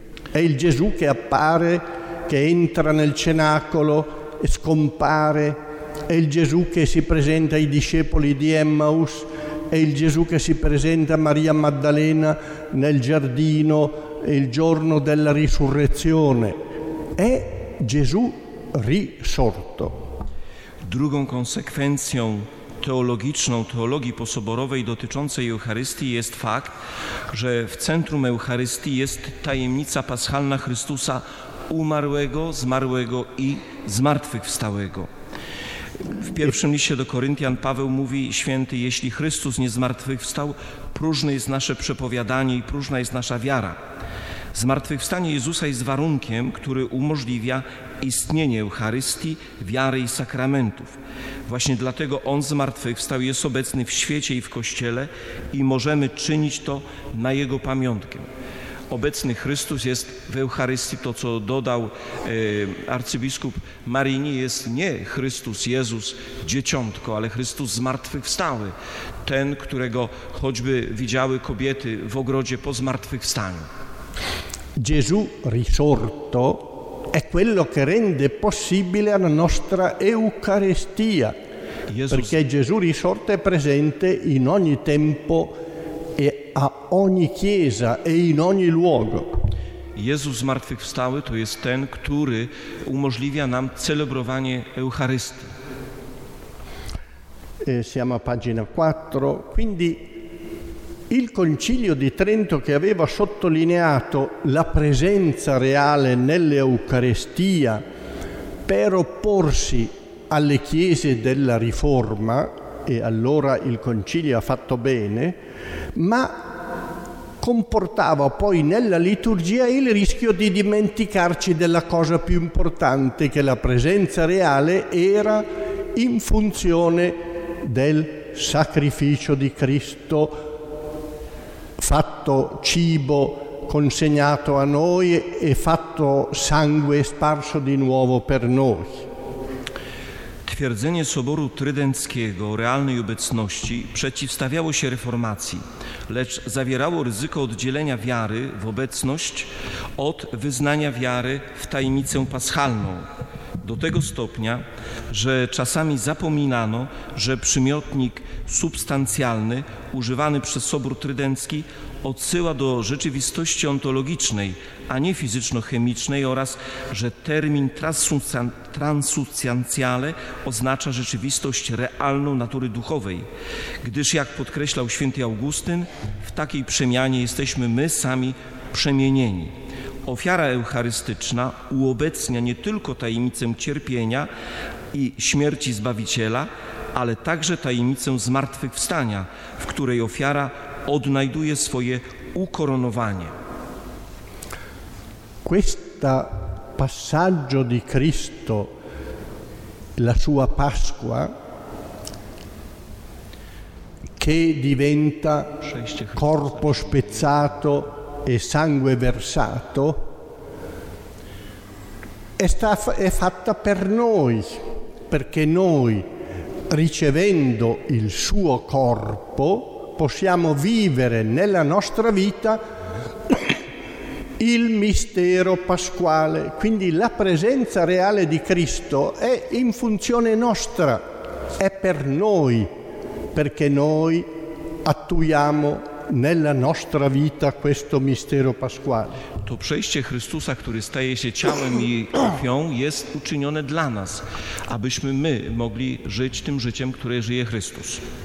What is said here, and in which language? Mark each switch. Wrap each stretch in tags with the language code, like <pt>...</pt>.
<it>È il Gesù che appare, che entra nel cenacolo e scompare, è il Gesù che si presenta ai discepoli di Emmaus, è il Gesù che si presenta a Maria Maddalena nel giardino il giorno della risurrezione. È Gesù risorto.</it> <pl>Drugą konsekwencją teologiczną teologii posoborowej dotyczącej Eucharystii jest fakt, że w centrum Eucharystii jest tajemnica paschalna Chrystusa umarłego, zmarłego i zmartwychwstałego. W pierwszym liście do Koryntian Paweł mówi, święty, jeśli Chrystus nie zmartwychwstał, próżne jest nasze przepowiadanie i próżna jest nasza wiara. Zmartwychwstanie Jezusa jest warunkiem, który umożliwia istnienie Eucharystii, wiary i sakramentów. Właśnie dlatego On zmartwychwstał, jest obecny w świecie i w Kościele i możemy czynić to na Jego pamiątkę. Obecny Chrystus jest w Eucharystii, to co dodał arcybiskup Marini, jest nie Chrystus Jezus Dzieciątko, ale Chrystus Zmartwychwstały, ten, którego choćby widziały kobiety w ogrodzie po zmartwychwstaniu.</pl> <it>Gesù risorto è quello che rende possibile la nostra Eucaristia, perché Gesù risorto è presente in ogni tempo e a ogni chiesa e in ogni luogo.</it> <pl>Gesù zmartwychwstały to jest ten, który umożliwia nam celebrowanie Eucharystii.</pl> <it>Siamo a pagina 4, quindi il Concilio di Trento, che aveva sottolineato la presenza reale nell'Eucarestia per opporsi alle chiese della Riforma, e allora il Concilio ha fatto bene, ma comportava poi nella liturgia il rischio di dimenticarci della cosa più importante, che la presenza reale era in funzione del sacrificio di Cristo, fatto cibo consegnato a noi e fatto sangue sparso di nuovo per noi.</it> <pl>Twierdzenie Soboru Trydenckiego o realnej obecności przeciwstawiało się reformacji, lecz zawierało ryzyko oddzielenia wiary w obecność od wyznania wiary w tajemnicę paschalną. Do tego stopnia, że czasami zapominano, że przymiotnik substancjalny używany przez Sobór Trydencki odsyła do rzeczywistości ontologicznej, a nie fizyczno-chemicznej oraz, że termin transsubstancjale oznacza rzeczywistość realną natury duchowej, gdyż jak podkreślał święty Augustyn, w takiej przemianie jesteśmy my sami przemienieni. Ofiara eucharystyczna uobecnia nie tylko tajemnicę cierpienia i śmierci Zbawiciela, ale także tajemnicę zmartwychwstania, w której ofiara odnajduje swoje ukoronowanie.</pl> <it>Questo passaggio di Cristo, la sua Pasqua, che diventa corpo spezzato e sangue versato, è fatta per noi, perché noi, ricevendo il suo corpo, possiamo vivere nella nostra vita il mistero pasquale. Quindi la presenza reale di Cristo è in funzione nostra, è per noi, perché noi attuiamo nella nostra vita questo mistero pasquale.</it> <pl>To przejście Chrystusa, który staje się ciałem i krwią, jest uczynione dla nas, abyśmy my mogli żyć tym życiem, które żyje Chrystus.</pl>